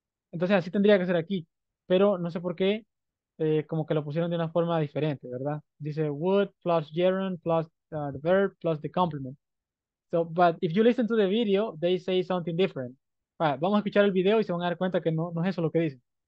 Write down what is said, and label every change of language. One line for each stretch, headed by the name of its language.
Spanish: Entonces así tendría que ser aquí, pero no sé por qué como que lo pusieron de una forma diferente, ¿verdad? Dice
English: would plus gerund plus the verb plus the complement. So, but if you listen to the video, they say something different.
Spanish: Right, vamos a escuchar el video y se van a dar cuenta que no es eso lo que dicen.